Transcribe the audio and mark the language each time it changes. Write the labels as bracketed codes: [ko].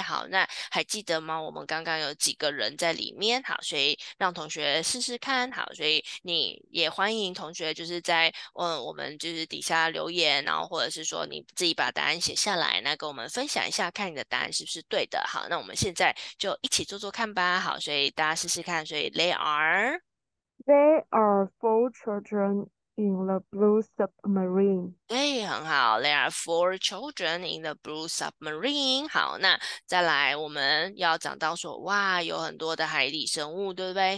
[zh] 好，那还记得吗？我们刚刚有几个人在里面，好，所以让同学试试看，好，所以你也欢迎同学就是在我们就是底下留言，然后或者是说你自己把答案写下来，那跟我们分享一下，看你的答案是不是对的。好，那我们现在就一起做做看吧。好，所以大家试试看，所以 [en] they are。 They are four children in the blue submarine. [zh] 对，很好。 [en] There are four children in the blue submarine。 [zh] 好，那再来，我们要讲到说，哇，有很多的海底生物，对不对？